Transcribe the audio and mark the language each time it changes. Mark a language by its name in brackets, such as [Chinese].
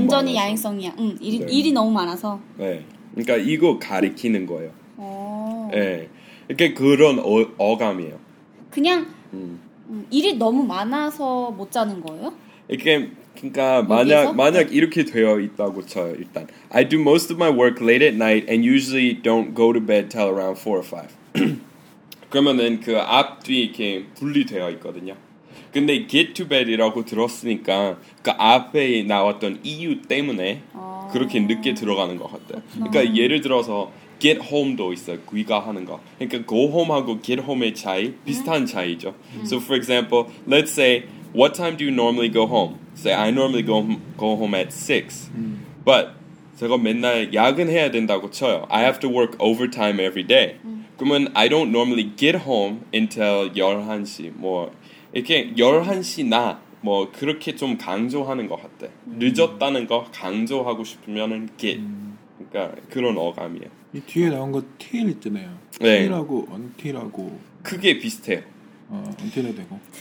[Korean] 완전히 야행성이야. 응, 일, 네. 일이 너무 많아서. 네, 그러니까 이거 가리키는 거예요. 오. 네. 이렇게 그런 어감이에요. 그냥 일이 너무 많아서 못 자는 거예요? 이렇게 그러니까 만약 이렇게 되어 있다고 쳐요. [English] 일단 I do most of my work late at night and usually don't go to bed till around 4 or 5. [Korean] 그러면은 그 앞 뒤 이렇게 분리되어 있거든요. 근데 get to bed이라고 들었으니까 그 앞에 나왔던 이유 때문에 그렇게 늦게 들어가는 것 같아요. 그렇구나. 그러니까 예를 들어서 get home도 있어요. 귀가하는 거. 그러니까 go home하고 get home의 차이 비슷한 차이죠. [English] So for example, let's say what time do you normally go home? Say I normally go home at 6. But [Korean] 제가 맨날 야근해야 된다고 쳐요. [English] I have to work overtime every day. 그러면 I don't normally get home until [Korean] 11시. 뭐 이렇게 11시나 뭐 그렇게 좀 강조하는 것 같아. 늦었다는 거 강조하고 싶으면은 get. 그러니까 그런 어감이에요. 이 뒤에 나온 거 till 있잖아요. 네. till하고 until하고 크게 비슷해요. until에 되고